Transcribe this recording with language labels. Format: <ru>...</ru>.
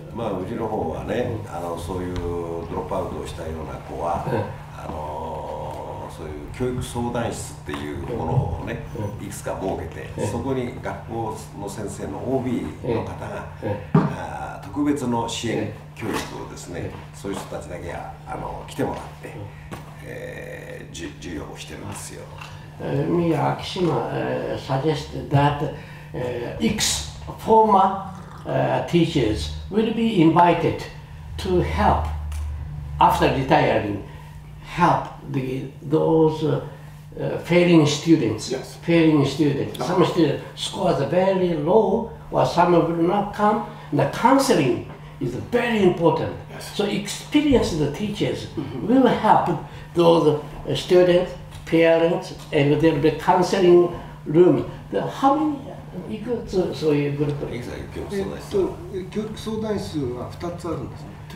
<ja>まあうちの方はね、うん、あのそういうドロップアウトをしたような子は、うん、あのそういう教育相談室っていうものをね、うん、いくつか設けて、うん、そこに学校の先生の OB の方が、特別の支援教育をですね、そういう人たちだけはあの来てもらって、授業をしてるんですよ。</ja> <en>ミヤ・アキシマ suggested that X former teachers will be invited to help after retiring, help the, those failing students. Yes. Failing students. Some students scores are very low, or some will not come. The counseling is very important. Yes. So experienced teachers will help those students, parents, and there will be counseling room. How many?</en> <ja>いくつそういうグループ教育相談室は2つあるんですね。</ja>